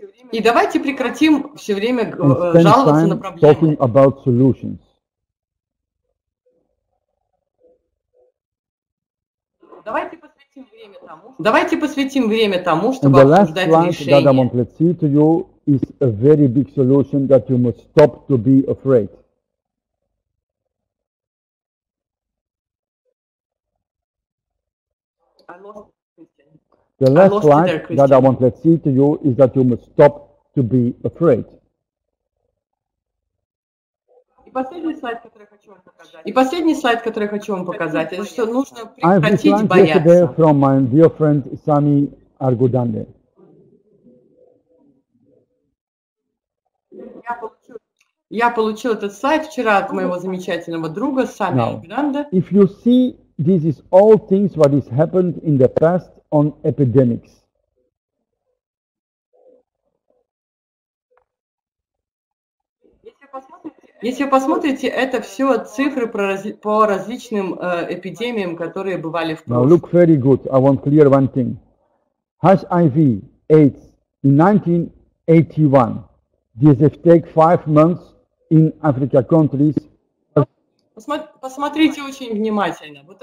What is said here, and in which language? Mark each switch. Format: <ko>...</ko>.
<ru>И давайте прекратим все время жаловаться на проблемы.</ru> <en>Talking about solutions.</en> <ru>Давайте посвятим время тому, чтобы обсуждать решения.</ru> <en>That I want to see to you is a very big solution that you must stop to be afraid. The last line that I want to see to you is that you must stop to be afraid.</en> <ru>И последний слайд, который я хочу вам показать, это что нужно прекратить бояться.</ru> <en>I have this line yesterday from my dear friend Sami Argudande.</en> <ru>Я получил этот слайд вчера от моего замечательного друга Сами Аргуданде.</ru> <en>If you see, this is all things what has happened in the past on epidemics.</en> <ru>Если вы посмотрите, это все цифры по различным эпидемиям, которые бывали в прошлом.</ru> <en>Now look very good. I want to clear one thing. HIV, AIDS, in 1981, this take 5 months in Africa countries.</en> <ru>Посмотрите очень внимательно.</ru>